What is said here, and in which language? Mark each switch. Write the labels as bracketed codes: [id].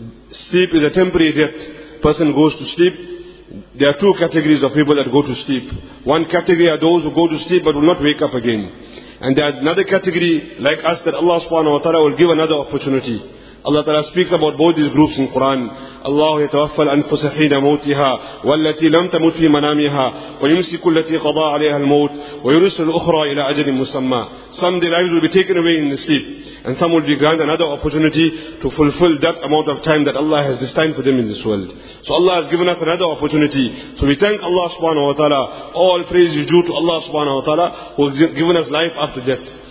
[en] Sleep is a temporary death. Person goes to sleep. There are two categories of people that go to sleep. One category are those who go to sleep but will not wake up again. And there are another category like us that Allah subhanahu wa ta'ala will give another opportunity. Allah ta'ala speaks about both these groups in Quran. [ar] Allah يتوفى الأنفس حين موتها والتي لم تمت في منامها ويمسك التي قضى عليها الموت ويرسل الأخرى إلى أجل مسمى. [en] Some the lives will be taken away in the sleep, and some will be granted another opportunity to fulfill that amount of time that Allah has destined for them in this world. So Allah has given us another opportunity. So we thank Allah subhanahu wa ta'ala. All praise is due to Allah subhanahu wa ta'ala who has given us life after death.